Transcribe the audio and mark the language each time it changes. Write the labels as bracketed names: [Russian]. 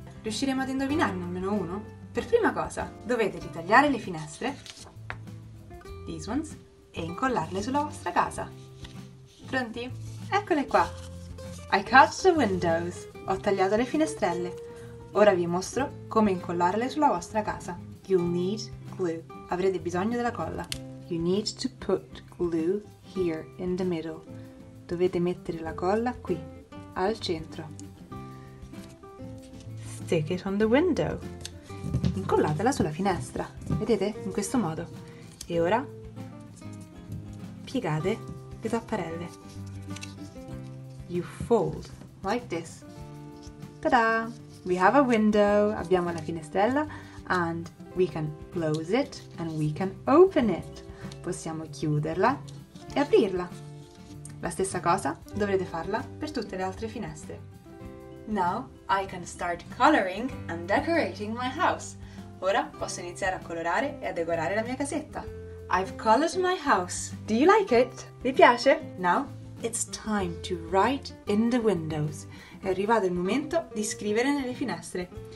[Italian] Riusciremo ad indovinarne almeno uno? Per prima cosa, dovete ritagliare le finestre, [English] these ones, [Italian] e incollarle sulla vostra casa. Pronti? Eccole qua! [English] I cut the windows. [Italian] Ho tagliato le finestrelle. Ora vi mostro come incollarle sulla vostra casa. [English] You'll need glue. [Italian] Avrete bisogno della colla. [English] You need to put glue here in the middle. [Italian] Dovete mettere la colla qui, al centro. [English] Stick it on the window. [Italian] Incollatela sulla finestra. Vedete? In questo modo. E ora piegate le tapparelle. [English] You fold like this. Ta-da! We have a window, [Italian] abbiamo la finestrella, [English] and we can close it and we can open it. [Italian] Possiamo chiuderla e aprirla. La stessa cosa dovrete farla per tutte le altre finestre. [English] Now I can start coloring and decorating my house. [Italian] Ora posso iniziare a colorare e a decorare la mia casetta. [English] I've colored my house. Do you like it? [Italian] Vi piace? [English] Now it's time to write in the windows. [Italian] È arrivato il momento di scrivere nelle finestre.